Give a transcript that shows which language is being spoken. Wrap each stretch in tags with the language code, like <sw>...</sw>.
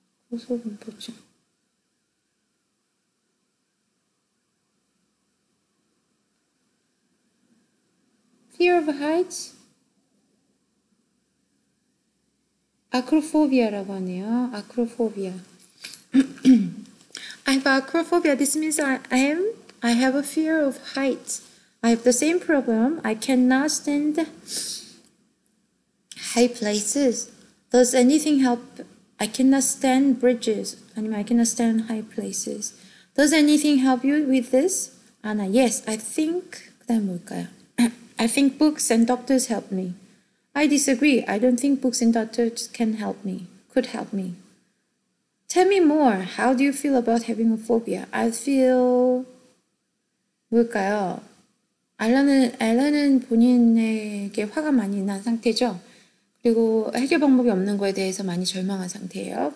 <ko>고소공포증.</ko> <en>피어 오브 하이츠?</en> <ko>아크로포비아라고 하네요.</ko> <en>아크로포비아. I have acrophobia. This means I have a fear of heights. I have the same problem. I cannot stand high places. Does anything help? I cannot stand bridges.</en> <ko>아니면</ko> <en>I cannot stand high places. Does anything help you with this?</en> <ko>아나,</ko> <en>yes, I think.</en> <ko>그다음 뭘까요?</ko> <en>I think books and doctors help me. I disagree. I don't think books and doctors can help me. Could help me. Tell me more. How do you feel about having a phobia? I feel.</en> <ko>뭘까요? 앨런은 본인에게 화가 많이 난 상태죠. 그리고 해결 방법이 없는 거에 대해서 많이 절망한 상태예요.</ko>